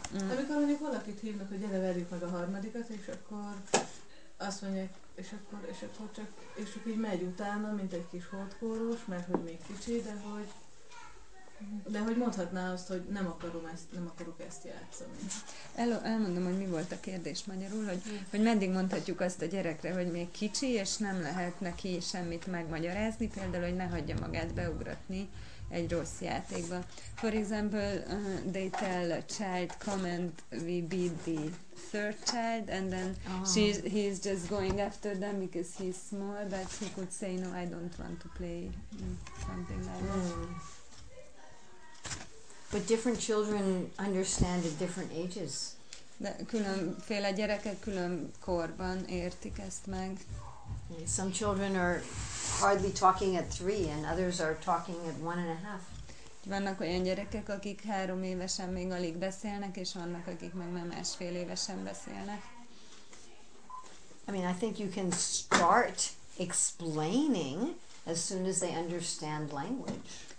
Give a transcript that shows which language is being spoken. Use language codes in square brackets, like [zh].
[hu] Amikor mondjuk valakit hívnak, hogy gyere verjük meg a harmadikat, és akkor azt mondják, és akkor így megy utána, mint egy kis holdkórós, mert hogy még kicsi, de hogy mondhatná azt, hogy nem akarok ezt játszani. Elmondom, hogy mi volt a kérdés magyarul, hogy meddig mondhatjuk azt a gyerekre, hogy még kicsi, és nem lehet neki semmit megmagyarázni, például, hogy ne hagyja magát beugratni egy rossz játékba. [en] For example, they tell a child, come and we beat the third child, and then he is just going after them because he's small, but he could say, no, I don't want to play something like that. But different children understand at different ages. [hu] De különféle gyerekek külön korban értik ezt meg. [en] Some children are hardly talking at 3 and others are talking at 1.5. [hu] Vannak olyan gyerekek, akik 3 évesen még alig beszélnek, és vannak, akik meg már másfél évesen beszélnek. [en] I mean, I think you can start explaining as soon as they understand language.